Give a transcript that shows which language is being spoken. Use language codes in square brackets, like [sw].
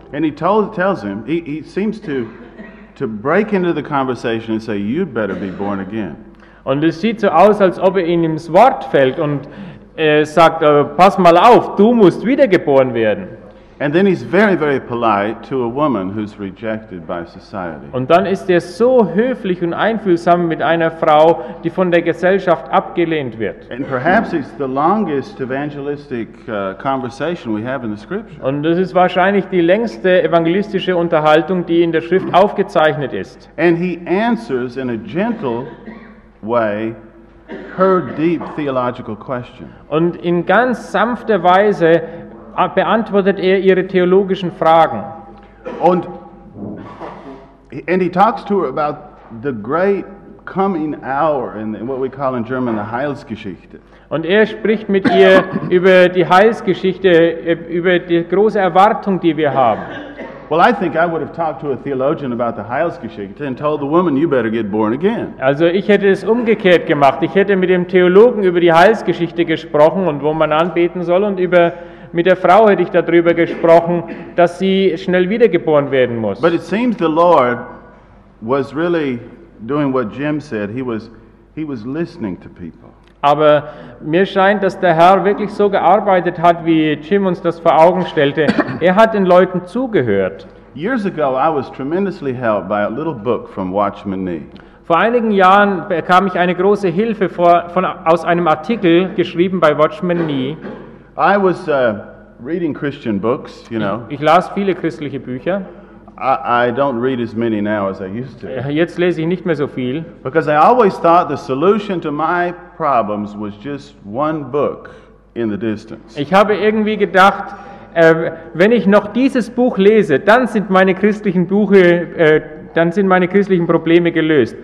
[en] And he tells him, he seems to break into the conversation and say, you'd better be born again. [de] Und es sieht so aus, als ob er ihm ins Wort fällt und sagt, pass mal auf, du musst wiedergeboren werden. [en] And then he's very, very polite to a woman who's rejected by society. [de] Und dann ist er so höflich und einfühlsam mit einer Frau, die von der Gesellschaft abgelehnt wird. [en] And perhaps it's the longest evangelistic conversation we have in the scripture. [de] Und das ist wahrscheinlich die längste evangelistische Unterhaltung, die in der Schrift aufgezeichnet ist. [en] And he answers in a gentle way her deep theological question. [de] Und in ganz sanfter Weise beantwortet er ihre theologischen Fragen. [en] And he talks to her about the great coming hour in what we call in German the Heilsgeschichte. [de] Und er spricht mit ihr über die Heilsgeschichte, über die große Erwartung, die wir haben. [en] Well, I think I would have talked to a theologian about the Heilsgeschichte and told the woman, you better get born again. [de] Also, ich hätte es umgekehrt gemacht. Ich hätte mit dem Theologen über die Heilsgeschichte gesprochen und wo man anbeten soll und über mit der Frau hätte ich darüber gesprochen, dass sie schnell wiedergeboren werden muss. [en] But it seems the Lord was really doing what Jim said. He was listening to people. [de] Aber mir scheint, dass der Herr wirklich so gearbeitet hat, wie Jim uns das vor Augen stellte. Er hat den Leuten zugehört. [en] Years ago I was tremendously helped by a little book from Watchman Nee. [de] Vor einigen Jahren bekam ich eine große Hilfe aus einem Artikel geschrieben bei Watchman Nee. [en] I was reading Christian books, you know. [de] Ich las viele christliche Bücher. [en] I don't read as many now as I used to. [de] Jetzt lese ich nicht mehr so viel. [en] Because I always thought the solution to my problems was just one book in the distance. [de] Ich habe irgendwie gedacht, wenn ich noch dieses Buch lese, dann sind meine christlichen Probleme gelöst.